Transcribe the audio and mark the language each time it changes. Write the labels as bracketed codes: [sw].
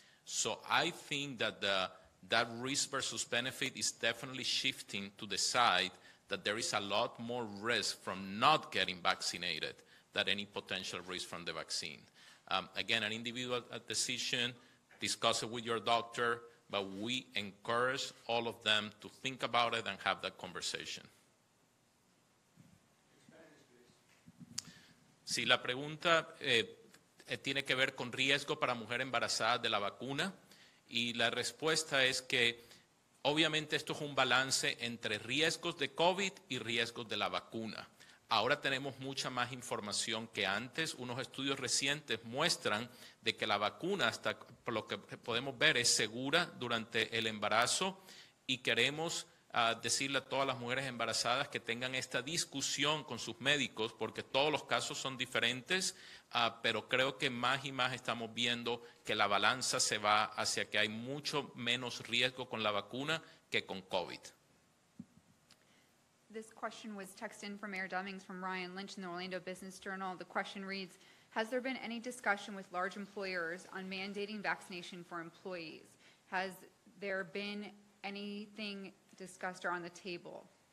[en] So I think that that risk versus benefit is definitely shifting to the side that there is a lot more risk from not getting vaccinated than any potential risk from the vaccine. Again, an individual decision, discuss it with your doctor, but we encourage all of them to think about it and have that conversation. [es] Sí, la pregunta tiene que ver con riesgo para mujer embarazada de la vacuna. Y la respuesta es que, obviamente, esto es un balance entre riesgos de COVID y riesgos de la vacuna. Ahora tenemos mucha más información que antes. Unos estudios recientes muestran de que la vacuna, hasta por lo que podemos ver, es segura durante el embarazo. Y queremos decirle a todas las mujeres embarazadas que tengan esta discusión con sus médicos, porque todos los casos son diferentes, pero creo que más y más estamos viendo que la balanza se va hacia que hay mucho menos riesgo con la vacuna que con COVID. [en] This question was texted in from Mayor Demings from Ryan Lynch in the Orlando Business Journal. The question reads, has there been any discussion with large employers on mandating vaccination for employees? Has there been anything discussed or on the table?